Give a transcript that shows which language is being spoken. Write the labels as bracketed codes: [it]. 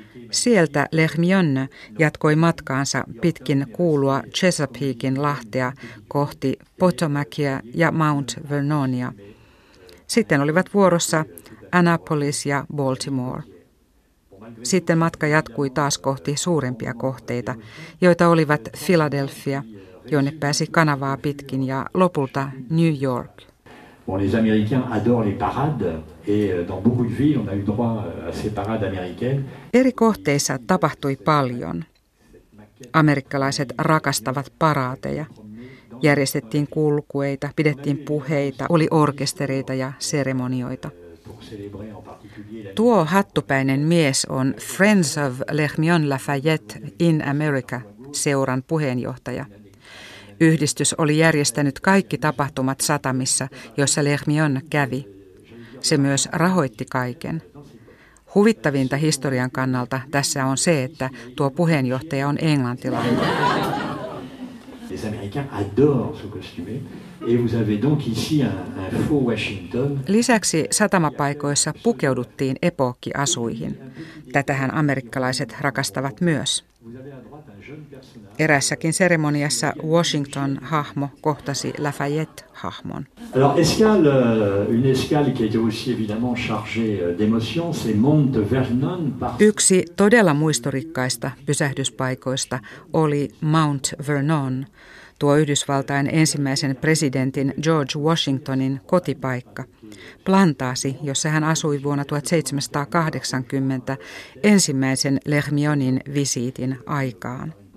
[fi] Sieltä L'Hermione jatkoi matkaansa pitkin kuulua Chesapeakein lahtea kohti Potomacia ja Mount Vernonia. Sitten olivat vuorossa Annapolis ja Baltimore. Sitten matka jatkui taas kohti suurempia kohteita, joita olivat Philadelphia, jonne pääsi kanavaa pitkin, ja lopulta New York. [fr] Bon, les Américains adorent les parades et dans beaucoup de villes on a eu droit à ces parades américaines. [fi] Eri kohteissa tapahtui paljon. Amerikkalaiset rakastavat paraateja. Järjestettiin kulkueita, pidettiin puheita, oli orkestereita ja seremonioita. Tuo hattupäinen mies on Friends of L'Hermione Lafayette in America -seuran puheenjohtaja. Yhdistys oli järjestänyt kaikki tapahtumat satamissa, joissa L'Hermione kävi. Se myös rahoitti kaiken. Huvittavinta historian kannalta tässä on se, että tuo puheenjohtaja on englantilainen. [fr] Les Américains adorent se costumer. Et vous avez donc ici un faux Washington. [fi] Lisäksi satamapaikoissa pukeuduttiin epookkiasuihin. Tätähän amerikkalaiset rakastavat myös. Eräässäkin seremoniassa Washington-hahmo kohtasi Lafayette-hahmon. [fr] Alors escale, une escale qui était aussi évidemment chargée d'émotions, c'est Mont Vernon. [fi] Yksi todella muistorikkaista pysähdyspaikoista oli Mount Vernon, tuo Yhdysvaltain ensimmäisen presidentin George Washingtonin kotipaikka. Plantaasi, jossa hän asui vuonna 1780 ensimmäisen Lermionin visiitin aikaan.